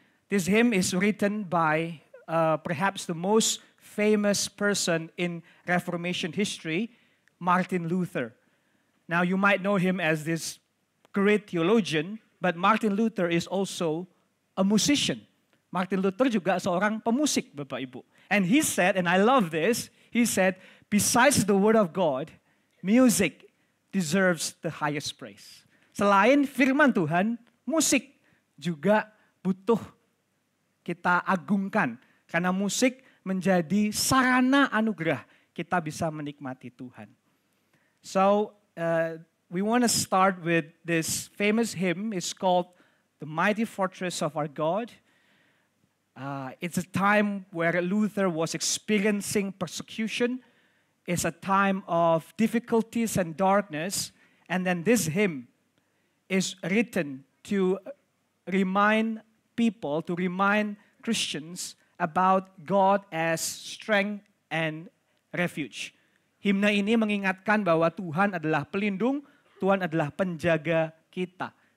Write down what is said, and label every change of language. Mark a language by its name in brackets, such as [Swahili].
[English] This hymn is written by perhaps the most famous person in Reformation history, Martin Luther. Now, you might know him as this great theologian, but Martin Luther is also a musician. [Indonesian] Martin Luther juga seorang pemusik, Bapak Ibu. [English] And he said, and I love this, he said, besides the word of God, music deserves the highest praise. [Indonesian] Selain firman Tuhan, musik juga butuh kita agungkan. Karena musik menjadi sarana anugerah kita bisa menikmati Tuhan. [English] So, we want to start with this famous hymn. It's called The Mighty Fortress of Our God. It's a time where Luther was experiencing persecution. It's a time of difficulties and darkness. And then this hymn is written to remind people, to remind Christians about God as strength and refuge. [Indonesian] Himna ini mengingatkan bahwa Tuhan adalah pelindung, Tuhan adalah penjaga kita.